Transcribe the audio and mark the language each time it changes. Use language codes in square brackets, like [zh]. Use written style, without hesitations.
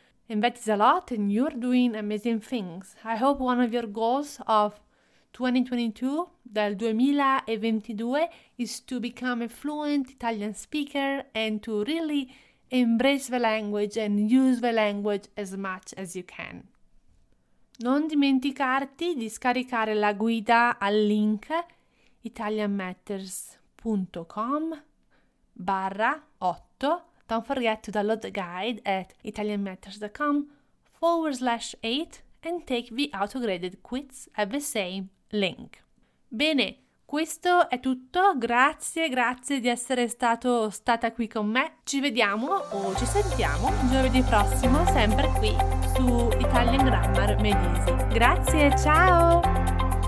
[en] And that is a lot, and you're doing amazing things. I hope one of your goals of 2022, dal 2022, is to become a fluent Italian speaker and to really embrace the language and use the language as much as you can. [it] Non dimenticarti di scaricare la guida al link italianmatters.com/8. [en] Don't forget to download the guide at italianmatters.com/8 and take the auto-graded quiz at the same link. [it] Bene, questo è tutto. Grazie, grazie di essere stata qui con me. Ci vediamo o ci sentiamo giovedì prossimo, sempre qui su Italian Grammar Made Easy. Grazie, ciao!